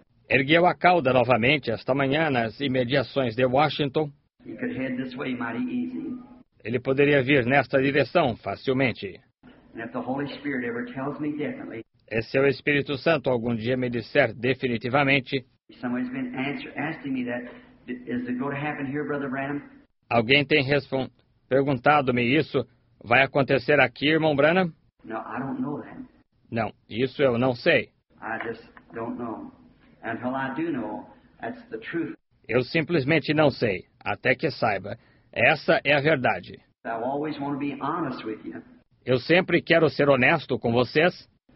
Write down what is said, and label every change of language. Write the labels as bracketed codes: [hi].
[pt] ergueu a cauda novamente esta manhã nas imediações de Washington. [en] He could head this way mighty easy. [pt] Ele poderia vir nesta direção facilmente. [en] And if the Holy Spirit ever tells me definitely, [pt] e se o Espírito Santo algum dia me disser definitivamente, [en] somebody's been asking me that, is it going to happen here, Brother Branham? [pt] Alguém tem perguntado-me isso, vai acontecer aqui, irmão Branham? [en] No, I don't know that. [pt] Não, isso eu não sei. [en] I just don't know. Until I do know, that's the truth. [pt] Eu simplesmente não sei, até que saiba. Essa é a verdade. [en] I always want to be honest with you. [pt] Eu sempre quero ser honesto com vocês.